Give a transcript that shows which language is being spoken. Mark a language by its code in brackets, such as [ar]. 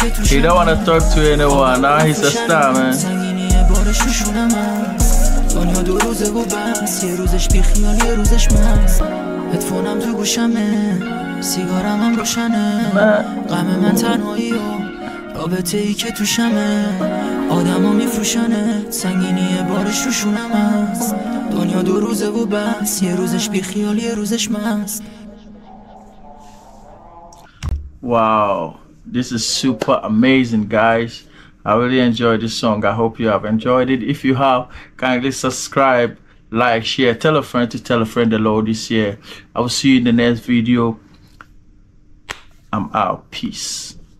[en] He don't wanna talk to anyone, now he's a star, man. [fa] سنگینی بارش روشونم دنیا دو روزه و بس یه روزش بی خیال یه روزش مست هدفونم تو گوشمه سیگارم هم روشنه غم من تنهایی و رابطه ای که توشمه آدم ها میفروشنه سنگینی بارش روشونم هست دنیا دو روزه و بس یه روزش بی خیال یه روزش مست [en] Wow This is super amazing guys I really enjoyed this song I hope you have enjoyed it If you have kindly subscribe Like, share, tell a friend to tell a friend the Lord is here. I will see you in the next video. I'm out. Peace.